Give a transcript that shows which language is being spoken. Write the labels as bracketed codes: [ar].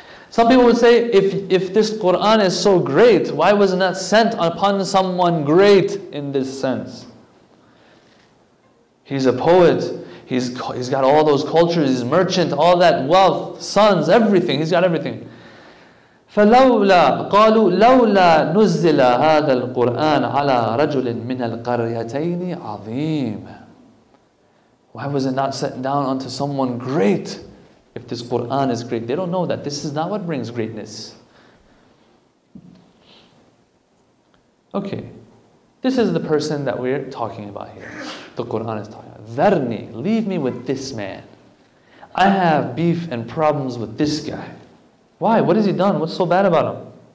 [en] Some people would say, if this Quran is so great, why was it not sent upon someone great in this sense? He's a poet. He's got all those cultures. He's a merchant. All that wealth, sons, everything. He's got everything. [ar] فَلَوْلَا قَالُوا لَوْلَا نُزِّلَ هَذَا الْقُرْآنَ عَلَى رَجُلٍ مِنَ الْقَرْيَتَيْنِ عَظِيمٍ. [en] Why was it not set down unto someone great if this Quran is great. They don't know that. This is not what brings greatness. Okay. This is the person that we're talking about here. The Quran is talking about. Dharni, leave me with this man. I have beef and problems with this guy. Why? What has he done? What's so bad about him?